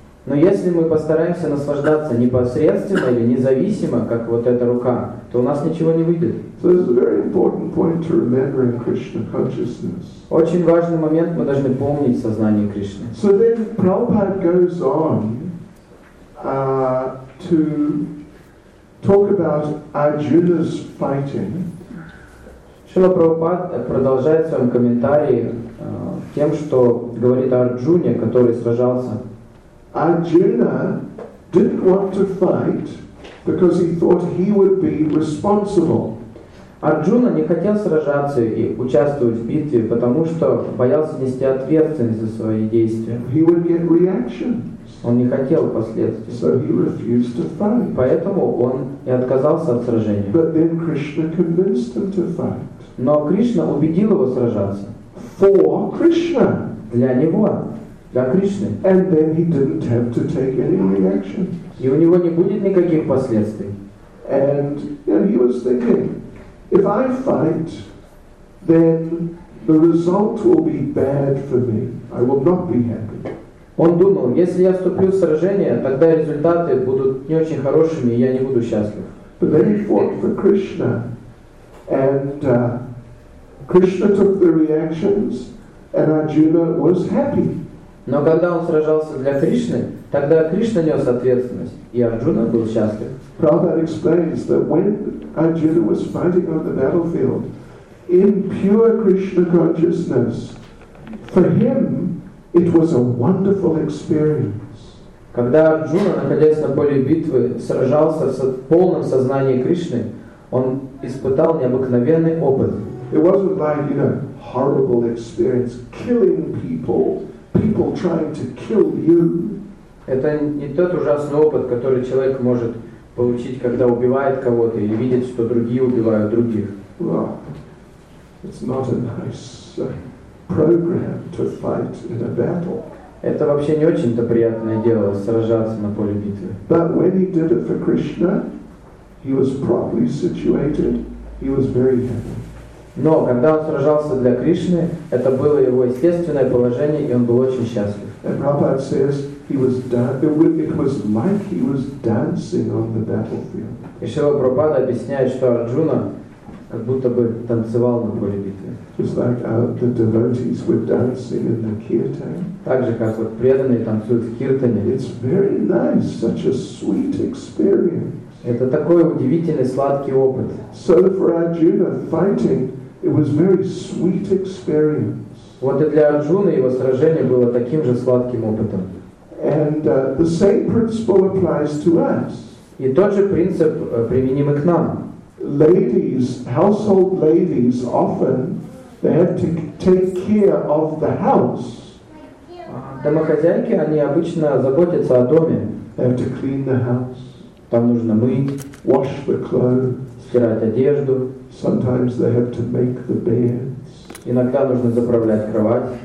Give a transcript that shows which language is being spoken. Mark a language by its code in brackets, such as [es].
[ru] Но если мы постараемся наслаждаться непосредственно или независимо, как вот эта рука, то у нас ничего не выйдет. [en] So it's a very important point to remember in Krishna consciousness. [ru] Очень важный момент мы должны помнить в сознании Кришны. [en] So then Prabhupada goes on to talk about Arjuna's fighting. [ru] Шрила Прабхупада продолжает в своем комментарии тем, что говорит о Арджуне, который сражался. [en] Arjuna didn't want to fight because he thought he would be responsible. [ru] Арджуна не хотел сражаться и участвовать в битве, потому что боялся нести ответственность за свои действия. [en] He would get reactions. [ru] Он не хотел последствий. [en] So he refused to fight. [ru] Поэтому он и отказался от сражения. [en] But then Krishna convinced him to fight. [ru] Но Кришна убедил его сражаться. [en] For Krishna. [ru] Для него. Для Кришны. [en] And then he didn't have to take any reaction. [ru] И у него не будет никаких последствий. [en] And you know, he was thinking, if I fight, then the result will be bad for me. I will not be happy. [ru] Он думал, если я вступлю в сражение, тогда результаты будут не очень хорошими, и я не буду счастлив. [en] But then he fought for Krishna, and Krishna took the reactions, and Arjuna was happy. [ru] Но когда он сражался для Кришны, тогда Кришна нес ответственность, и Арджуна был счастлив. [en] Prabhupada explains that when Arjuna was fighting on the battlefield, in pure Krishna consciousness, for him it was a wonderful experience. [ru] Когда Арджуна, находясь на поле битвы, сражался в полном сознании Кришны, он испытал необыкновенный опыт. [en] It wasn't like, you know, horrible experience, killing people. People trying to kill you. [ru] Это не тот ужасный опыт, который человек может получить, когда убивает кого-то или видит, что другие убивают других. [en] Well, it's not a nice program to fight in a battle. [ru] Это вообще не очень-то приятное дело сражаться на поле битвы. [en] But when he did it for Krishna, he was properly situated. He was very happy. [ru] Но когда он сражался для Кришны, это было его естественное положение, и он был очень счастлив. [en] And Prabhupada says he was it was like he was dancing on the battlefield. [ru] И Шрила Прабхупада объясняет, что Арджуна как будто бы танцевал на поле битвы. [en] It's like the devotees were dancing in the kirtan. [ru] Так же, как вот преданные танцуют в киртане. [en] It's very nice, such a sweet experience. [ru] Это такой удивительный сладкий опыт. [en] So for Arjuna fighting, it was very sweet experience. [ru] Вот и для Арджуны его сражение было таким же сладким опытом. [en] And the same principle applies to us. [ru] И тот же принцип применим и к нам. [en] Ladies, household ladies, often they have to take care of the house. [ru] Домохозяйки, они обычно заботятся о доме. [en] They have to clean the house. [ru] Там нужно мыть, [en] wash the clothes, [ru] стирать одежду. [en] Sometimes they have to make the beds. [ru] Иногда нужно заправлять кровать.